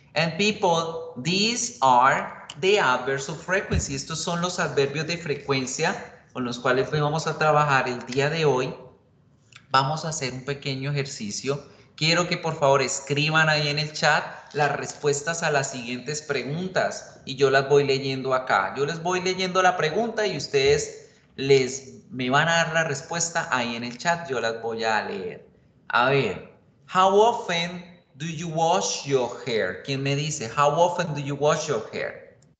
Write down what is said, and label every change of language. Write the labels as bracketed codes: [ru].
[en] And people, these are the adverbs of frequency. [es] Estos son los adverbios de frecuencia con los cuales vamos a trabajar el día de hoy. Vamos a hacer un pequeño ejercicio. Quiero que por favor escriban ahí en el chat las respuestas a las siguientes preguntas y yo las voy leyendo acá. Yo les voy leyendo la pregunta y ustedes me van a dar la respuesta ahí en el chat. Yo las voy a leer. A ver, [en] how often do you wash your hair? [es] ¿Quién me dice? [en] How often do you wash your hair?